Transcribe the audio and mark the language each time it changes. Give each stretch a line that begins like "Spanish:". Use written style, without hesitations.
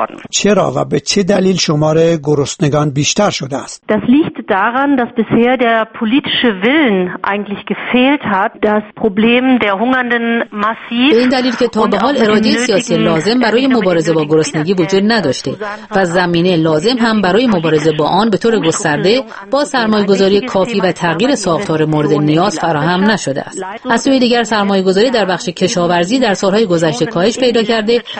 Persian: چرا و به چه دلیل شمار گرسنگان بیشتر شده است؟
German: Das liegt daran, dass bisher der politische Willen eigentlich gefehlt hat, das Problem der hungernden massiv.
Persian: به این دلیل که تا به حال اراده سیاسی لازم برای مبارزه با گرسنگی وجود نداشته و زمینه لازم هم برای مبارزه با آن به طور گسترده با سرمایه‌گذاری کافی و تغییر ساختار مورد نیاز فراهم نشده است. از سوی دیگر سرمایه‌گذاری در بخش کشاورزی در سال‌های گذشته کاهش پیدا کرده